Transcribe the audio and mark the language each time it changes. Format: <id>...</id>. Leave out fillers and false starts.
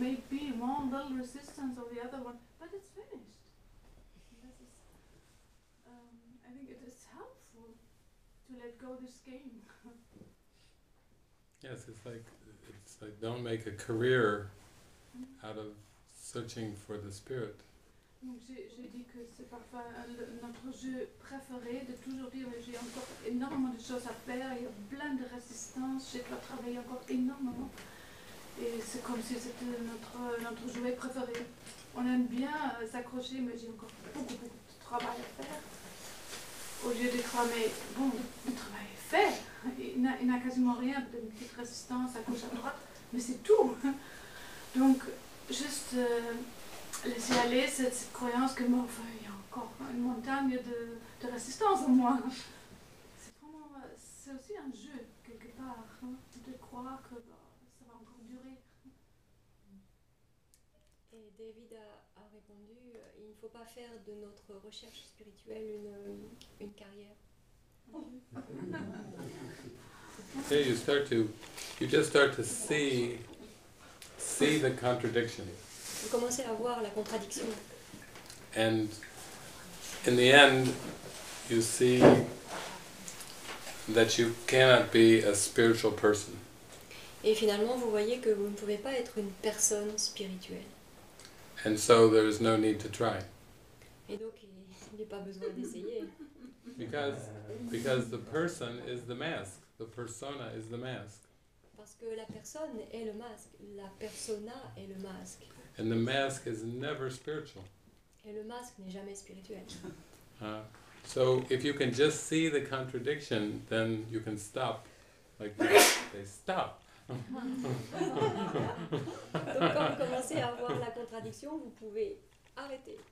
<en>Maybe one little resistance or the other one, but it's finished. This is, I think it is helpful to let go this game. Yes, it's like don't make a career out of searching for the spirit.</en> <fr>Donc j'ai dit que c'est parfois notre jeu préféré de toujours dire, mais j'ai encore énormément de choses à faire, il y a plein de résistance, je dois travailler encore énormément. Et c'est comme si c'était notre jouet préféré. On aime bien s'accrocher, mais j'ai encore beaucoup de travail à faire. Au lieu de croire, mais bon, le travail est fait. Il n'a quasiment rien, peut-être une petite résistance à gauche, à droite, mais c'est tout. Donc, juste laisser aller cette croyance que, bon, enfin, il y a encore une montagne de résistance en moi. C'est vraiment, c'est aussi un jeu, quelque part, hein, de croire que ça va encore durer. Et David a répondu, il ne faut pas faire de notre recherche spirituelle une carrière.</fr> <en>Hey, you just start to see the contradiction.</en> <fr>Vous commencez à voir la contradiction.</fr> <en>And in the end, you see that you cannot be a spiritual person.</en> <fr>Et finalement, vous voyez que vous ne pouvez pas être une personne spirituelle.</fr> <en>And so there is no need to try.</en> <fr>Et donc, il n'y a pas besoin d'essayer.</fr> <en>Because the person is the mask. The persona is the mask.</en> <fr>Parce que la personne est le masque. La persona est le masque.</fr> <en>And the mask is never spiritual.</en> <fr>Et le masque n'est jamais spirituel.</fr> <en>So if you can just see the contradiction, then you can stop. Like that. They stop.</en> <fr>Donc quand vous commencez à voir la contradiction, vous pouvez arrêter.</fr>